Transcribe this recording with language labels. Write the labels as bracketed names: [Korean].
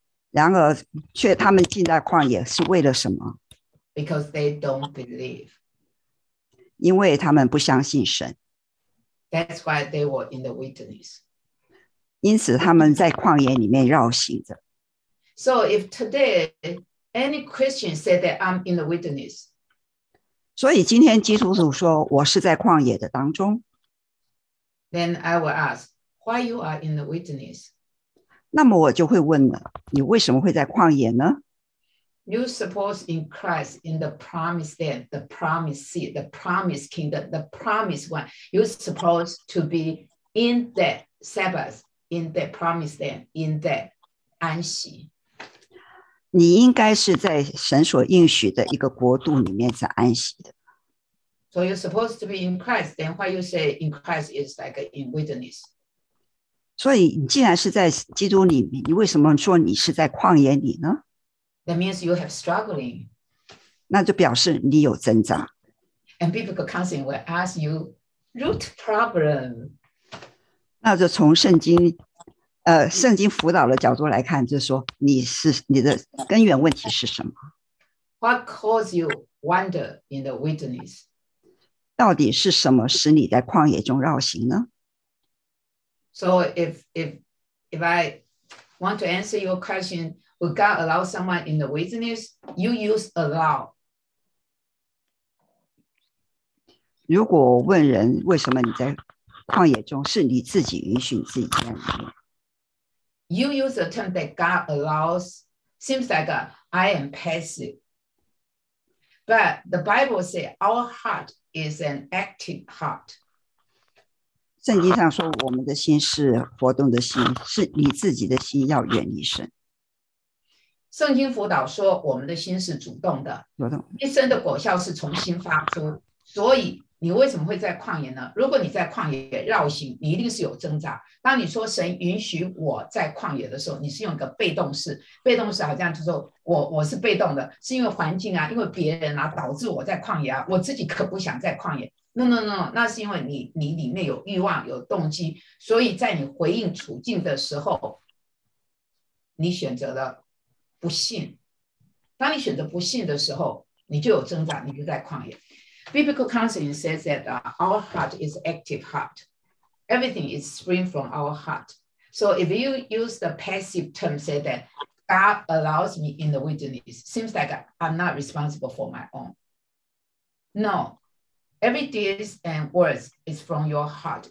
[Chinese] 然而却他们进在旷野是为了什么？ [English] Because they don't believe. [Chinese] 因为他们不相信神。 [English] That's why they were in the wilderness. [Chinese] 因此他们在旷野里面绕行着。 [English] So if today any Christian said that I'm in the wilderness, [Chinese] 所以今天基督徒说我是在旷野的当中。 [English] Then I will ask, why you are in the wilderness? [Chinese] 那么我就会问了，你为什么会在旷野呢？ [English] You suppose in Christ, in the promised land, the promised seed, the promised kingdom, the promised one, you suppose to be in that Sabbath, in that promised land, in that 安息。 [Chinese] 你应该是在神所应许的一个国度里面是安息的。 [English] So you're supposed to be in Christ, then why you say in Christ is like in wilderness? [Chinese] 所以你既然是在基督里面，你为什么说你是在旷野里呢？ [English] That means you have struggling. [Chinese] 那就表示你有挣扎。 [English] And biblical counseling will ask you root problem. [Chinese] 那就从圣经辅导的角度来看，就是说你的根源问题是什么？ [English] What caused you wander in the wilderness? [Chinese] 到底是什么使你在旷野中绕行呢？ [English] So if I want to answer your question, would God allow someone in the wilderness? You use allow. [Chinese] 如果问人为什么你在旷野中，是你自己允许自己在里面。 [English] You use the term that God allows, seems like I am passive. But the Bible says our heart is an active heart. [Chinese] 圣经上说我们的心是活动的心，是你自己的心要远离神。圣经辅导说我们的心是主动的，主动一生的果效是从心发出。所以你为什么会在旷野呢？如果你在旷野绕行，你一定是有挣扎。当你说神允许我在旷野的时候，你是用一个被动式，被动式好像就是说 我是被动的，是因为环境啊，因为别人啊，导致我在旷野啊，我自己可不想在旷野。 No, 那是因为 你里面有欲望有动机，所以在你回应处境的时候你选择了不信。当你选择不信的时候，你就有挣扎，你就在旷野。 [English] Biblical counseling says that our heart is active heart. Everything is spring from our heart. So if you use the passive term, say that God allows me in the wilderness, seems like I'm not responsible for my own. No, every deed and words is from your heart.